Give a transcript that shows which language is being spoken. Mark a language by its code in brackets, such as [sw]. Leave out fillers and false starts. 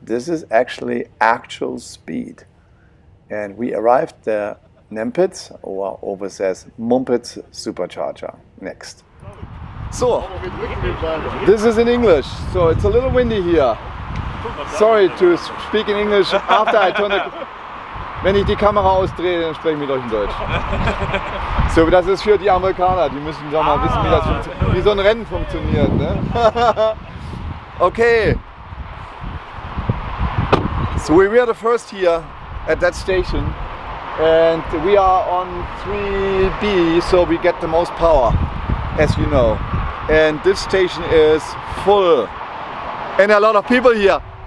[en] This is actually actual speed. And we arrived the Nempitz, or over says Mumpitz supercharger next. So, this is in English, so it's a little windy here. Sorry to speak in English after I turn the... [de] Wenn ich die Kamera ausdrehe, dann spreche ich mit euch in Deutsch. So, das ist für die Amerikaner, die müssen doch mal wissen, wie das wie so ein Rennen funktioniert, ne? Okay. [en] So, we are the first here at that station. And we are on 3B, so we get the most power, as you know. And this station is full. And a lot of people here.